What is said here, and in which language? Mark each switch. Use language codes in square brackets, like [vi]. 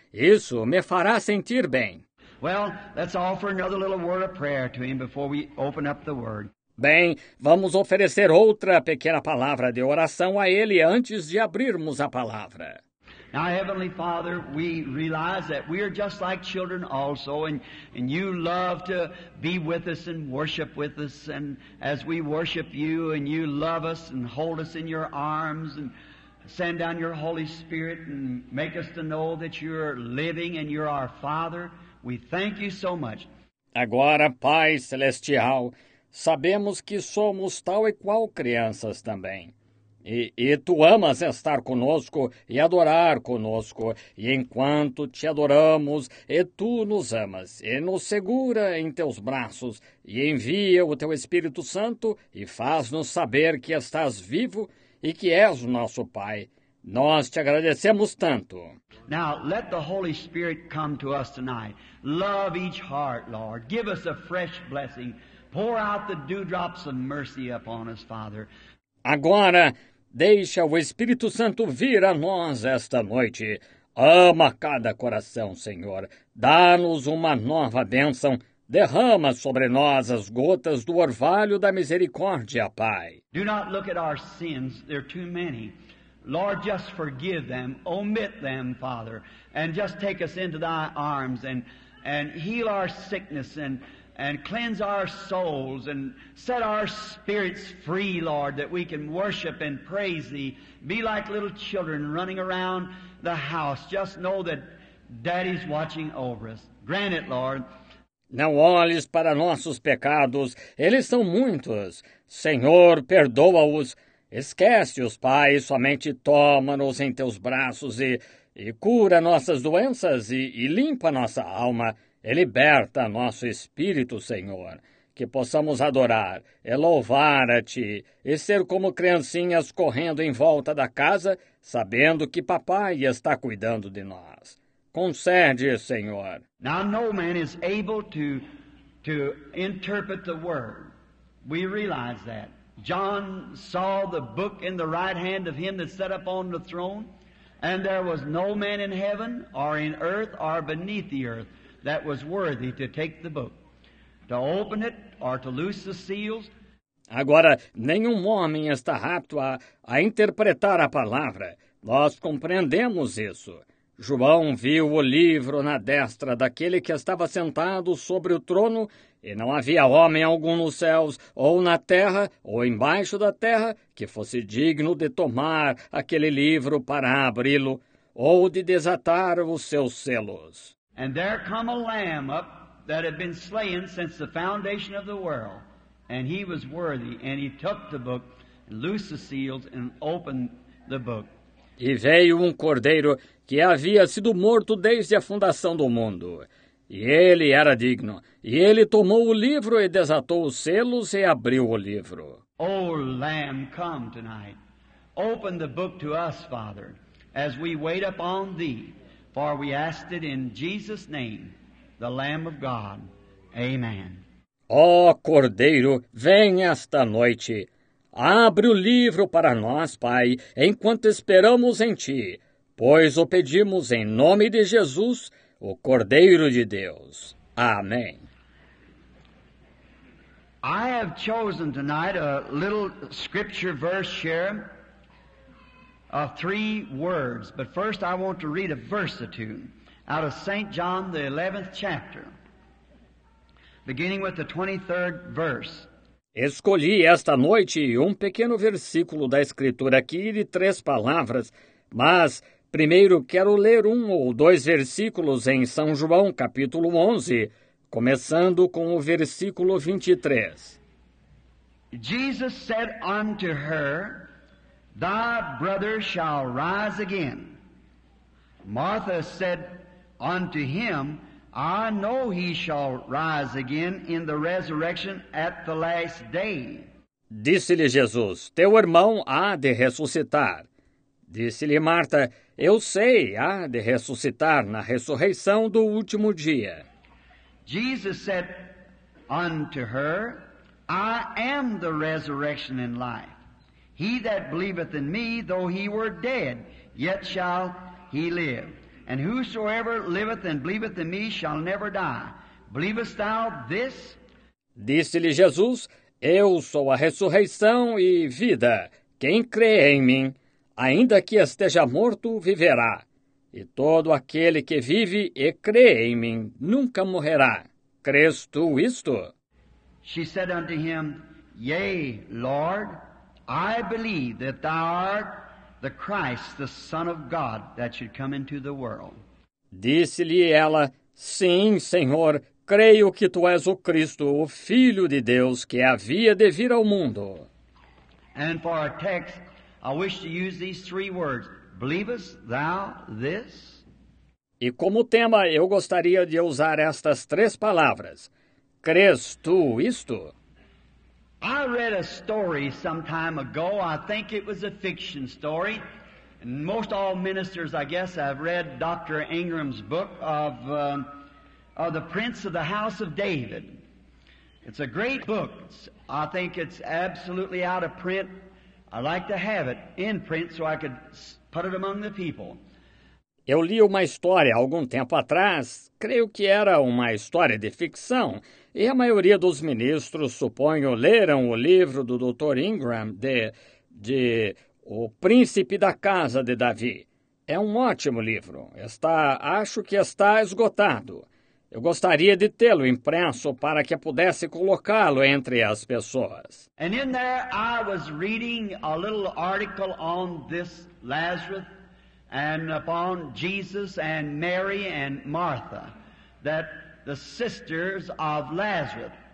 [pt] Isso me fará sentir bem. [en] Well, let's offer another little word of prayer to him before we open up the word. [pt] Bem, vamos oferecer outra pequena palavra de oração a ele antes de abrirmos a palavra. [en] Now, Heavenly Father, we realize that we are just like children also, and you love to be with us and worship with us, and as we worship you, and you love us and hold us in your arms, and send down your Holy Spirit and make us to know that you're living and you're our Father. We thank you so much. [pt] Agora, Pai Celestial, sabemos que somos tal e qual crianças também. E tu amas estar conosco e adorar conosco. E enquanto te adoramos, e tu nos amas, e nos segura em teus braços, e envia o teu Espírito Santo e faz-nos saber que estás vivo e que és o nosso Pai. Nós te agradecemos tanto. [en] Now, let the Holy Spirit come to us tonight. Love each heart, Lord. Give us a fresh blessing. Pour out the dewdrops of mercy upon us, Father. [pt] Agora, deixa o Espírito Santo vir a nós esta noite. Ama cada coração, Senhor. Dá-nos uma nova bênção. Derrama sobre nós as gotas do orvalho da misericórdia, Pai. [en] Do not look at our sins. There are too many. Lord, just forgive them, omit them, Father, and just take us into thy arms and heal our sickness and cleanse our souls and set our spirits free, Lord, that we can worship and praise thee. Be like little children running around the house. Just know that Daddy's watching over us. Grant it, Lord. [pt] Não olhes para nossos pecados. Eles são muitos. Senhor, perdoa-os. Esquece-os, Pai. Somente toma-nos em teus braços e cura nossas doenças e limpa nossa alma. E liberta nosso espírito, Senhor. Que possamos adorar e louvar a Ti e ser como criancinhas correndo em volta da casa, sabendo que papai está cuidando de nós. Concede, Senhor. [en] Now no man is able to interpret the word. We realize that. John saw the book in the right hand of him that sat upon the throne, and there was no man in heaven or in earth or beneath the earth that was worthy to take the book, to open it or to loose the seals. [pt] Agora, nenhum homem está apto a interpretar a palavra. Nós compreendemos isso. João viu o livro na destra daquele que estava sentado sobre o trono, e não havia homem algum nos céus, ou na terra, ou embaixo da terra, que fosse digno de tomar aquele livro para abri-lo, ou de desatar os seus selos. [en] And there come a lamb up that had been slain since the foundation of the world, and he was worthy, and he took the book, and loosed the seals, and opened the book. [pt] E veio um cordeiro que havia sido morto desde a fundação do mundo. E ele era digno. E ele tomou o livro e desatou os selos e abriu o livro. [en] Oh, Lamb, come tonight. Open the book to us, Father, as we wait upon thee. For we ask it in Jesus' name, the Lamb of God. Amen. [pt] Oh, Cordeiro, vem esta noite. Abre o livro para nós, Pai, enquanto esperamos em Ti, pois o pedimos em nome de Jesus, o Cordeiro de Deus. Amém. [en] I have chosen tonight a little scripture verse here of three words, but first I want to read a verse or two out of St. John, the 11th chapter, beginning with the 23rd verse. [pt] Escolhi esta noite um pequeno versículo da Escritura aqui de três palavras, mas primeiro quero ler um ou dois versículos em São João, capítulo 11, começando com o versículo 23. [en] Jesus said unto her, thy brother shall rise again. Martha said unto him, I know he shall rise again in the resurrection at the last day. [pt] Disse-lhe Jesus, teu irmão há de ressuscitar. Disse-lhe Marta, eu sei, há de ressuscitar na ressurreição do último dia. [en] Jesus said unto her, I am the resurrection and life. He that believeth in me, though he were dead, yet shall he live. And whosoever liveth and believeth in me shall never die. Believest thou this? [pt] Disse-lhe Jesus, eu sou a ressurreição e vida. Quem crê em mim, ainda que esteja morto, viverá. E todo aquele que vive e crê em mim nunca morrerá. Crês tu isto? [en] She said unto him, yea, Lord, I believe that thou art the Christ, the Son of God, that should come into the world. [pt] Disse-lhe ela, sim, Senhor, creio que tu és o Cristo, o Filho de Deus, que havia de vir ao mundo. [en] And for our text, I wish to use these three words, believest thou this? [pt] E como tema, eu gostaria de usar estas três palavras, crês tu isto? [en] I read a story some time ago. I think it was a fiction story. And most all ministers, I guess, have read Dr. Ingram's book of The Prince of the House of David. It's a great book. I think it's absolutely out of print. I'd like to have it in print so I could put it among the people. [pt] Eu li uma história algum tempo atrás, creio que era uma história de ficção, e a maioria dos ministros, suponho, leram o livro do Dr. Ingram de O Príncipe da Casa de Davi. É um ótimo livro. Acho que está esgotado. Eu gostaria de tê-lo impresso para que pudesse colocá-lo entre as pessoas. [en] And in there I was reading a little article on this Lazarus. and upon Jesus and Mary and Martha, that the sisters of Lazarus.